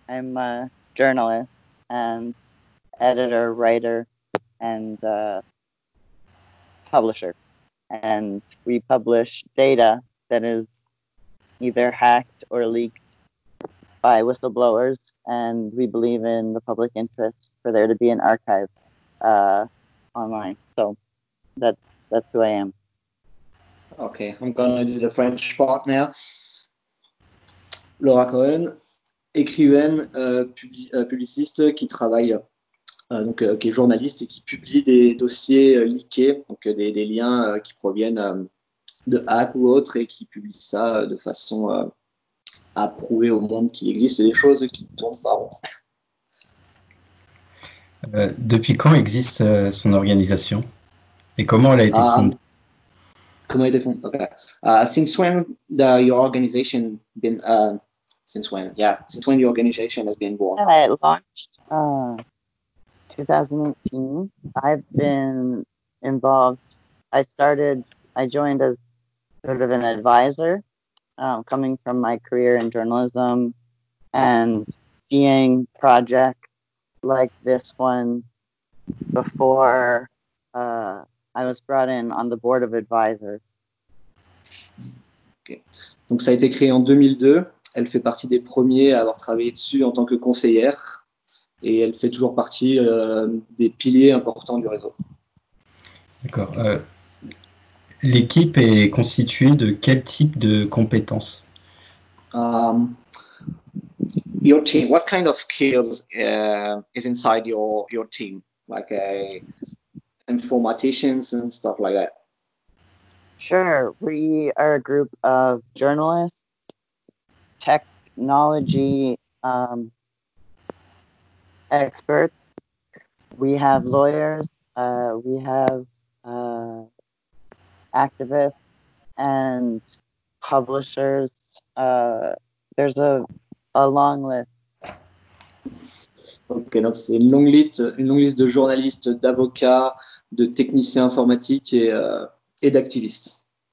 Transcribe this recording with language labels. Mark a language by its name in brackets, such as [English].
[English] I'm a journalist and editor, writer, and publisher, and we publish data that is either hacked or leaked by whistleblowers, and we believe in the public interest for there to be an archive online. So that's who I am. Okay, I'm gonna do the French part now. [French] Laura Cohen, écrivaine, publiciste qui travaille, qui est journaliste et qui publie des dossiers leakés, donc des liens qui proviennent de hacks ou autres, et qui publie ça de façon à prouver au monde qu'il existe des choses qui tombent par an. Depuis quand existe son organisation et comment elle a été fondée? Comment elle a été fondée? [English] Okay. Since when the your organization been? Since when? Yeah, since when the organization has been born? It launched 2018. I've been involved. I joined as sort of an advisor. Coming from my career in journalism and seeing projects like this one before I was brought in on the board of advisors. [French] Okay. Donc ça a été créé en 2002. Elle fait partie des premiers à avoir travaillé dessus en tant que conseillère et elle fait toujours partie des piliers importants du réseau. D'accord. L'équipe est constituée de quel type de compétences? [English] Your team, what kind of skills is inside your team? Like informaticians and stuff like that? Sure, we are a group of journalists, technology experts. We have lawyers, we have activists and publishers. There's a long list. [French] Okay, donc c'est une longue liste de journalistes, d'avocats, de techniciens informatiques et d'activistes.